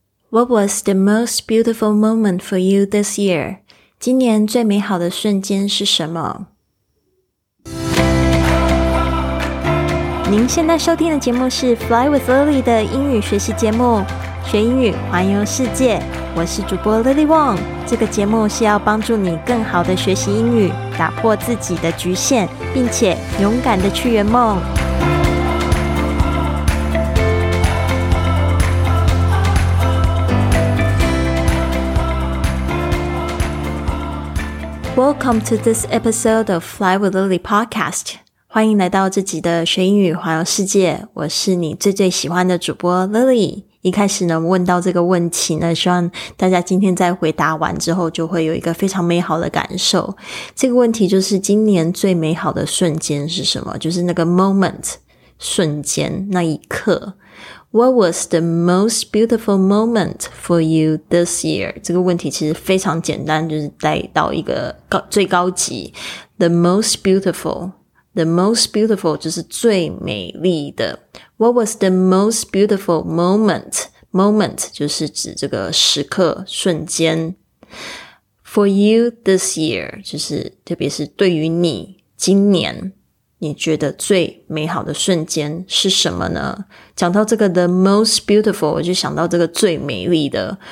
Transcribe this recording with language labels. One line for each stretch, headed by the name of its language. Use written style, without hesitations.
English: What was the most beautiful moment for you this year?
Chinese: 今年最美好的瞬间是什么？您现在收听的节目是 Fly with Lily 的英语学习节目，学英语，环游世界。我是主播 Lily Wong。这个节目是要帮助你更好的学习英语，打破自己的局限，并且勇敢的去圆梦。
English: Welcome to this episode of Fly with Lily podcast.
Chinese: 欢迎来到这集的学英语环游世界。我是你最最喜欢的主播 Lily。一开始呢，问到这个问题呢，希望大家今天在回答完之后就会有一个非常美好的感受。这个问题就是今年最美好的瞬间是什么？就是那个 moment, 瞬间，那一刻。
English: What was the most beautiful moment for you this year?
Chinese: 这个问题其实非常简单，就是带到一个最高级。
English: The most beautiful. The most beautiful
Chinese: 就是最美丽的。
English: What was the most beautiful moment?
Chinese: Moment 就是指这个时刻瞬间。
English: For you this year,
Chinese: 就是特别是对于你今年。你觉得最美好的瞬间是什么呢？讲到这个 the most beautiful, 我就想到这个最美丽的。